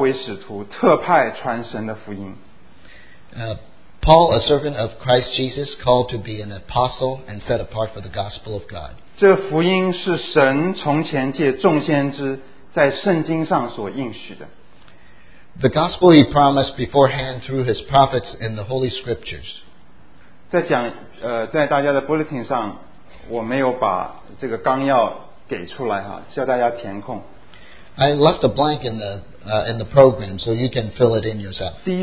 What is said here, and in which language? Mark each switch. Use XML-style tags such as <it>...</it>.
<zh>他说耶稣基督的仆人保罗奉召为使徒特派传神的福音。</zh> <en>Paul, a servant of Christ Jesus, called to be an apostle and set apart for the gospel of God.</en> <zh>这福音是神从前借众先知在圣经上所应许的。</zh> <en>The gospel he promised beforehand through his prophets in the Holy Scriptures.</en> <zh>在大家的bulletin上，我没有把这个纲要给出来哈，叫大家填空。</zh> <en>I left a blank in the program, so you can fill it in yourself.</en>